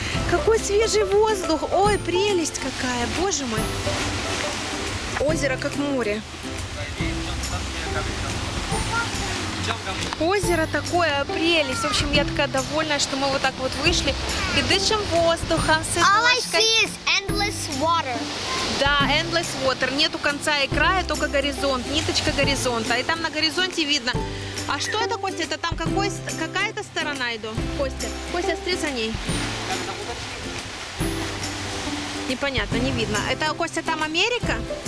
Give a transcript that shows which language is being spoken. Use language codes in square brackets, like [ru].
[ru] Какой свежий воздух! Ой, прелесть какая! Боже мой! Озеро как море. Озеро такое, прелесть. В общем, я такая довольна, что мы вот так вот вышли и дышим воздухом. [en] All I see is endless water. Да, endless water. [ru] Нету конца и края, только горизонт, ниточка горизонта. И там на горизонте видно. А что это, Костя? Это там какая-то сторона иду? Костя, Костя, смотри за ней. Непонятно, не видно. Это, Костя, там Америка?